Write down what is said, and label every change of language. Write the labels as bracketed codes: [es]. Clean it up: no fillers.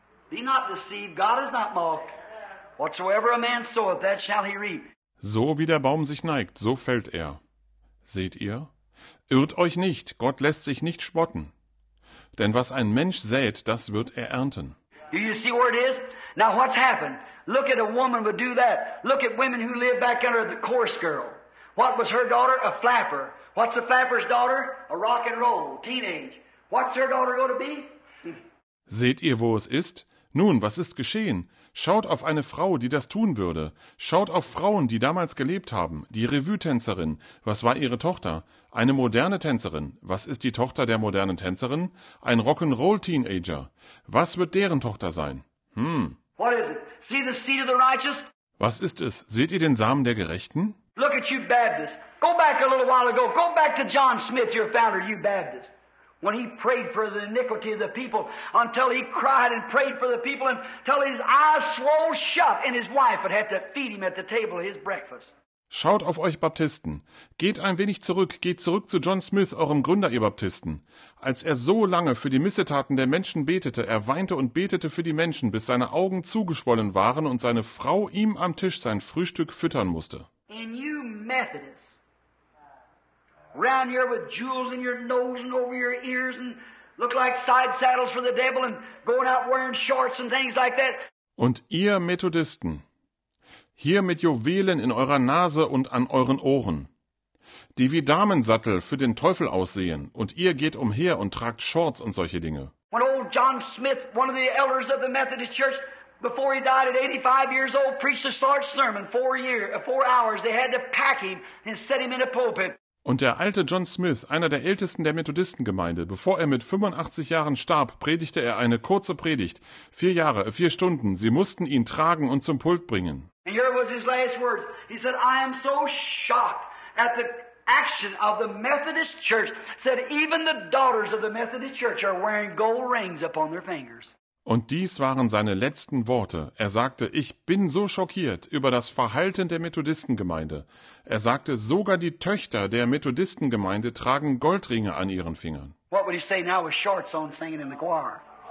[en] Be not deceived, God is not mocked. Whatsoever a man soweth, that shall he reap. [de] So wie der Baum sich neigt, so fällt er. Seht ihr? Irrt euch nicht, Gott lässt sich nicht spotten. Denn was ein Mensch sät, das wird er ernten. [en] Do you see where it is? Now what's happened? Look at a woman would do that. Look at women who live back under the chorus girl. What was her daughter? A flapper. What's a flapper's daughter? A rock and roll, teenage. What's her daughter going to be? [de] Seht ihr, wo es ist? Nun, was ist geschehen? Schaut auf eine Frau, die das tun würde. Schaut auf Frauen, die damals gelebt haben. Die Revue-Tänzerin. Was war ihre Tochter? Eine moderne Tänzerin. Was ist die Tochter der modernen Tänzerin? Ein Rock'n'Roll-Teenager. Was wird deren Tochter sein? [en] What is it? See the seed of the righteous? [de] Was ist es? Seht ihr den Samen der Gerechten? [en] Look at you Baptists. Go back a little while ago. Go back to John Smith, your founder, you Baptists. When he prayed for the iniquity of the people until he cried and prayed for the people until his eyes swole shut and his wife would have to feed him at the table his breakfast. [de] Schaut auf euch Baptisten. Geht ein wenig zurück. Geht zurück zu John Smith, eurem Gründer, ihr Baptisten. Als er so lange für die Missetaten der Menschen betete, er weinte und betete für die Menschen, bis seine Augen zugeschwollen waren und seine Frau ihm am Tisch sein Frühstück füttern musste. [en] And you Methodists, round here with jewels in your nose and over your ears and look like side saddles for the devil and going out wearing shorts and things like that. [de] Und ihr Methodisten, hier mit Juwelen in eurer Nase und an euren Ohren, die wie Damensattel für den Teufel aussehen, und ihr geht umher und tragt Shorts und solche Dinge. [en] When old John Smith, one of the elders of the Methodist Church, before he died at 85 years old, preached a short sermon, four hours, they had to pack him and set him in a pulpit. [de] Und der alte John Smith, einer der ältesten der Methodistengemeinde, bevor er mit 85 Jahren starb, predigte er eine kurze Predigt. 4 Jahre, 4 Stunden. Sie mussten ihn tragen und zum Pult bringen. [en] And here was his last words. He said, I am so shocked at the action of the Methodist Church. Said, even the daughters of the Methodist Church are wearing gold rings upon their fingers. [de] Und dies waren seine letzten Worte. Er sagte, ich bin so schockiert über das Verhalten der Methodistengemeinde. Er sagte, sogar die Töchter der Methodistengemeinde tragen Goldringe an ihren Fingern. [en] What would he say now with shorts on singing in the choir?